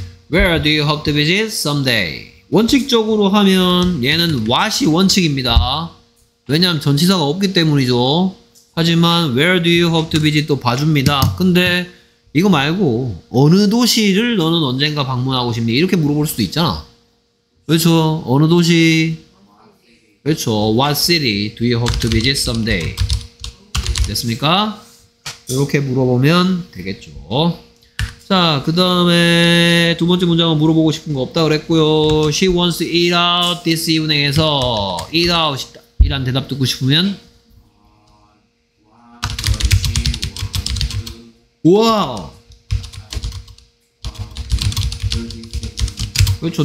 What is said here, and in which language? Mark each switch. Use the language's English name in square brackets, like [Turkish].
[English] Where do you hope to visit someday? [Korean] 원칙적으로 하면 얘는 what이 원칙입니다. 왜냐하면 전치사가 없기 때문이죠. 하지만 [English] where do you hope to visit [Korean] 또 봐줍니다. 근데 이거 말고 어느 도시를 너는 언젠가 방문하고 싶니 이렇게 물어볼 수도 있잖아. 그렇죠? 어느 도시? 그렇죠. [English] What city do you hope to visit someday? [Korean] 됐습니까? 이렇게 물어보면 되겠죠. 자, 그 다음에 두 번째 문장은 물어보고 싶은 거 없다 그랬고요. [English] She wants to eat out this evening [Korean] 에서 eat out 싶다 이란 대답 듣고 싶으면 와 그렇죠.